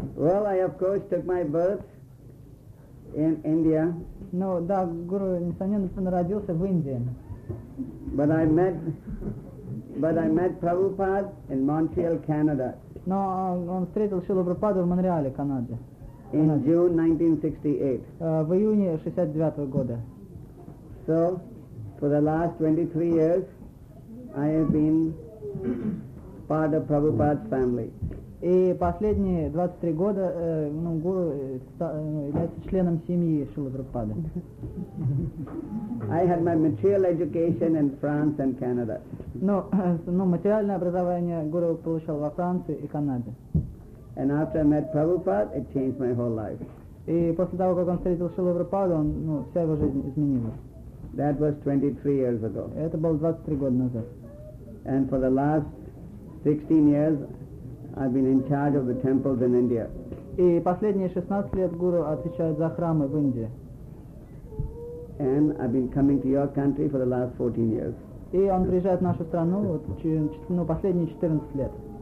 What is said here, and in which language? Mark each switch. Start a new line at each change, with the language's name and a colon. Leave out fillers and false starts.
English: Well, I of course took my birth in India.
Russian: No, да, Гуру, несомненно, родился в Индии.
English: But I met Prabhupada in Montreal, Canada.
Russian: Но он встретил Шрилу Прабхупаду в Монреале, Канаде.
English: In June 1968.
Russian: В июне 69 года.
English: So, for the last 23 years, I have been part of Prabhupada's family.
Russian: И последние 23 года ну, Гуру является членом семьи Шрилы Прабхупады.
English: I had my material education in France and Canada.
Russian: Ну, материальное образование Гуру получал во Франции и Канаде.
English: And after I met Prabhupada, it changed my whole life.
Russian: И после того, как он встретил Шрилу Прабхупаду, он, ну, вся его жизнь изменилась.
English: That was 23 years ago.
Russian: Это было 23 года назад.
English: And for the last 16 years, I've been in charge of the temples in India.
Russian: И последние 16 лет Гуру отвечает за храмы в Индии.
English: And I've been coming to your country for the last 14 years.
Russian: И он приезжает в нашу страну вот ну, последние 14 лет.